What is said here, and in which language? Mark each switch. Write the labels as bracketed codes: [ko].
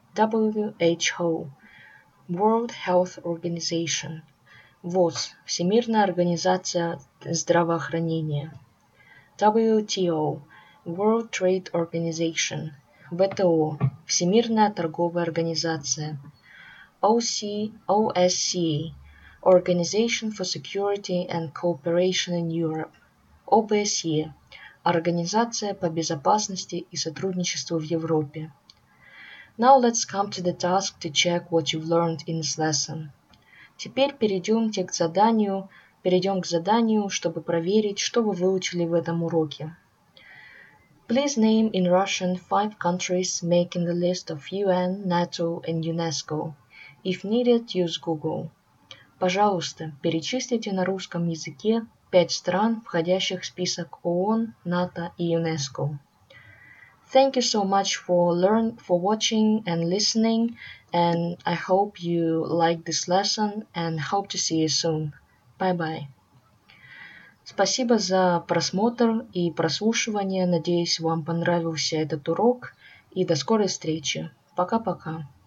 [en] WHO – World Health Organization. [ru] ВОЗ – Всемирная организация здравоохранения. [en] WTO – World Trade Organization. [ru] ВТО – Всемирная торговая организация. [en] OSCE – Organization for Security and Cooperation in Europe. [ru] OBSE – Организация по безопасности и сотрудничеству в Европе. [en] Now let's come to the task to check what you've learned in this lesson. [ru] Теперь перейдем к заданию, чтобы проверить, что вы выучили в этом уроке. [en] Please name in Russian five countries making the list of UN, NATO and UNESCO. If needed, use Google. [ru] Пожалуйста, перечислите на русском языке 5 стран, входящих в список ООН, НАТО и ЮНЕСКО. [en] Thank you so much for watching and listening, and I hope you like this lesson and hope to see you soon. Bye-bye. [ru] Спасибо за просмотр и прослушивание. Надеюсь, вам понравился этот урок. И до скорой встречи. Пока-пока.